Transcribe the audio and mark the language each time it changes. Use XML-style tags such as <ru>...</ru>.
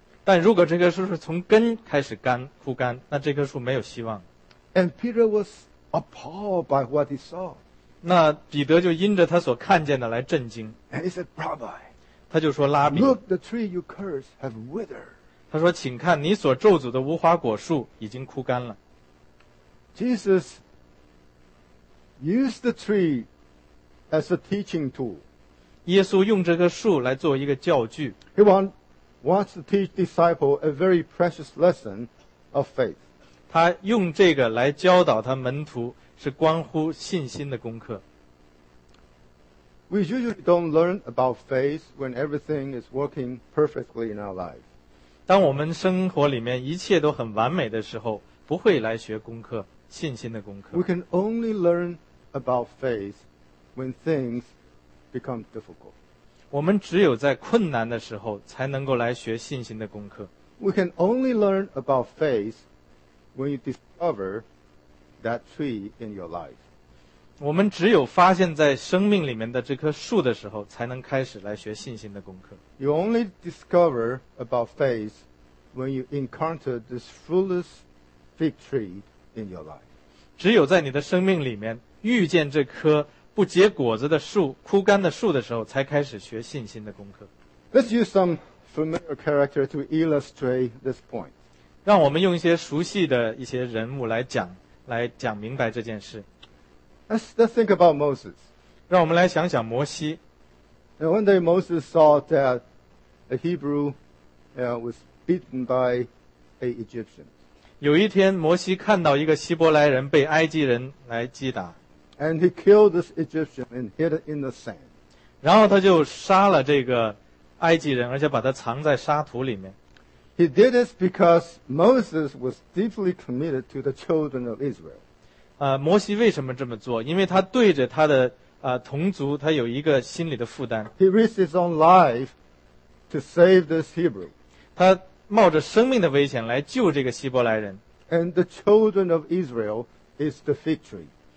<zh>但如果这棵树是从根开始干枯干，那这棵树没有希望。</zh> <en>And Peter was appalled by what he saw.</en> <zh>那彼得就因着他所看见的来震惊。</zh> <en>And he said, Rabbi,</en> <zh>他就说拉比。</zh> <en>Look, the tree you curse have withered.</en> <zh>他说请看你所咒诅的无花果树已经枯干了。</zh> <en>Jesus used the tree as a teaching tool.</en> <zh>耶稣用这棵树来做一个教具。</zh> <en>He wants to teach disciples a very precious lesson of faith.</en> <zh>他用这个来教导他门徒是关乎信心的功课。</zh> <en>We usually don't learn about faith when everything is working perfectly in our life.</en> <zh>当我们生活里面一切都很完美的时候，不会来学功课，信心的功课。</zh> <en>We can only learn about faith when things become difficult.</en> <zh>我们只有在困难的时候才能够来学信心的功课。</zh> <en>We can only learn about faith when you discover that tree in your life.</en> <zh>我们只有发现在生命里面的这棵树的时候才能开始来学信心的功课。</zh> <en>You only discover about faith when you encounter this fullest fig tree in your life.</en> <zh>只有在你的生命里面遇见这棵不结果子的树，枯干的树的时候，才开始学信心的功课。</zh> <en>Let's use some familiar character to illustrate this point.</en> <zh>让我们用一些熟悉的一些人物来讲明白这件事。</zh> <en>Let's think about Moses.</en> <zh>让我们来想想摩西。</zh> <en>Now, one day Moses saw that a Hebrew was beaten by an Egyptian.</en> <zh>有一天，摩西看到一个希伯来人被埃及人来击打。</zh> <en>And he killed this Egyptian and hid it in the sand.</en> <zh>然后他就杀了这个埃及人，而且把他藏在沙土里面。</zh> <en>He did this because Moses was deeply committed to the children of Israel.</en> <zh>摩西为什么这么做？因为他对着他的同族，他有一个心理的负担。</zh> <en>He risked his own life to save this Hebrew.</en> <zh>他冒着生命的危险来救这个希伯来人。</zh> <en>And the children of Israel is the fig tree.</en>